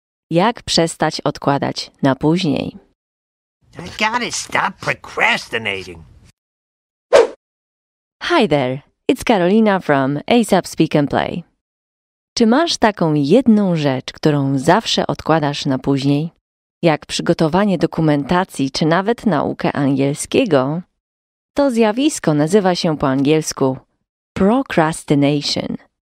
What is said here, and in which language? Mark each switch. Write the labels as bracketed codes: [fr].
[pl] Jak przestać odkładać na później. [en] I gotta stop procrastinating. Hi there, it's Karolina from ASAP Speak and Play. [pl] Czy masz taką jedną rzecz, którą zawsze odkładasz na później? Jak przygotowanie dokumentacji czy nawet naukę angielskiego? To zjawisko nazywa się po angielsku procrastination.